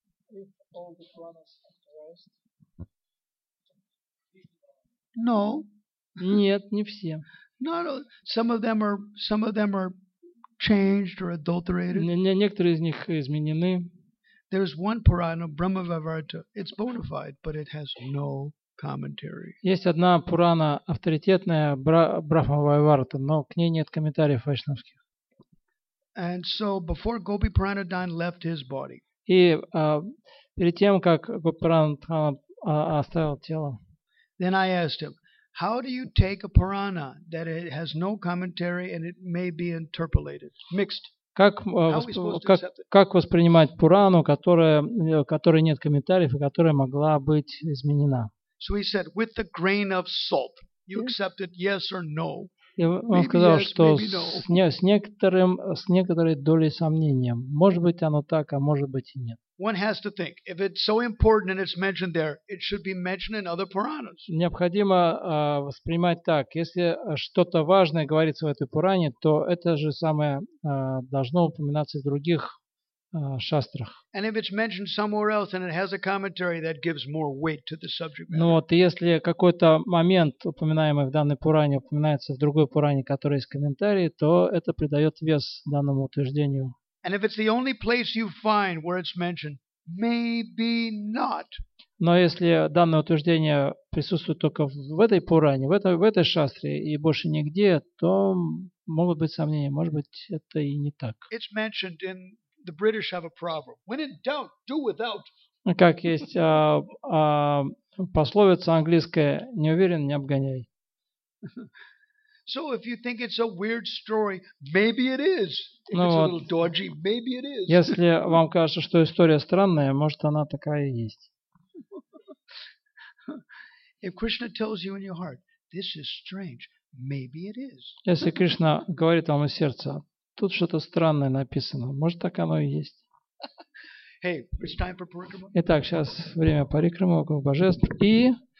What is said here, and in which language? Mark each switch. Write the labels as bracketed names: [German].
[English] If all the Puranas authorized. No. [Russian] Нет, не все. [English] No, no. Some of them are changed or adulterated. [Russian] Некоторые из них изменены. [English] There's one Purana, Brahmavarta. It's bona fide, but it has no commentary. [Russian] Есть одна Пурана авторитетная, Брахмавайварта, но к ней нет комментариев вайшнавских. [English] And so before Gopi Pranadhan left his body. [Russian] И перед тем, как Гопи Пранадхан оставил тело. [English] Then I asked him, how do you take a Purana that it has no commentary and it may be interpolated, mixed? [Russian] Как воспринимать Пурану, которой нет комментариев и которая могла быть изменена? [English] So he said, with the grain of salt, you accept it, yes or no? [Russian] И он сказал, что с некоторой долей сомнения. Может быть, оно так, а может быть и нет. [English] One has to think. If it's so important and it's mentioned there, it should be mentioned in other Puranas. [Russian] Необходимо воспринимать так. Если что-то важное говорится в этой Пуране, то это же самое должно упоминаться в других шастрах. [English] And if it's mentioned somewhere else and it has a commentary, that gives more weight to the subject matter. [Russian] Ну вот, если какой-то момент, упоминаемый в данной Пуране, упоминается в другой Пуране, которая есть комментарий, то это придает вес данному утверждению. [English] And if it's the only place you find where it's mentioned, maybe not. [Russian] Но если данное утверждение присутствует только в этой Пуране, в этой шастре и больше нигде, то могут быть сомнения, может быть, это и не так. [English] It's mentioned in the British have a proverb. When in doubt, do without. [Russian] Как есть пословица английская, не уверен, не обгоняй. [English] So if you think it's a weird story, maybe it is. If it's a little dodgy, maybe it is. [Russian] Если вам кажется, что история странная, может, она такая и есть. [English] If Krishna tells you in your heart, this is strange, maybe it is. [Russian] Если Кришна говорит вам из сердца, тут что-то странное написано, может, так оно и есть. [English] Hey, it's time for parikrama. [Russian] Итак, сейчас время парикрама, божеств и...